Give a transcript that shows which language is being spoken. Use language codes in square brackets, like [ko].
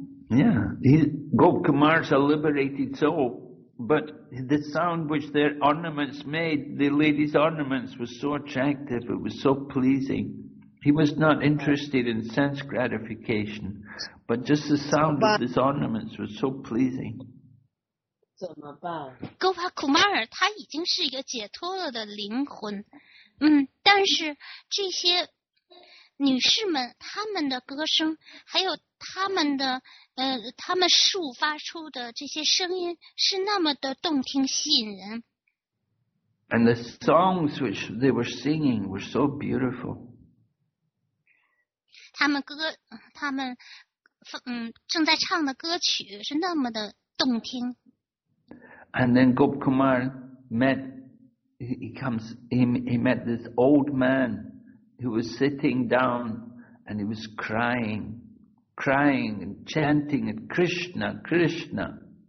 [en] Yeah, Gopakumar is a liberated soul, but the sound which their ornaments made, the ladies' ornaments, was so attractive, it was so pleasing. He was not interested in sense gratification, but just the sound of his ornaments was so pleasing. [zh] 怎么办？ Gopakumar 他已经是一个解脱了的灵魂，但是这些女士们她们的歌声还有她们的她们竖发出的这些声音是那么的动听吸引人。 [en] And the songs which they were singing were so beautiful. [zh] 他们正在唱的歌曲是那么的动听。 [en] And then Gopakumar met, he met this old man who was sitting down and he was crying and chanting at Krishna, Krishna.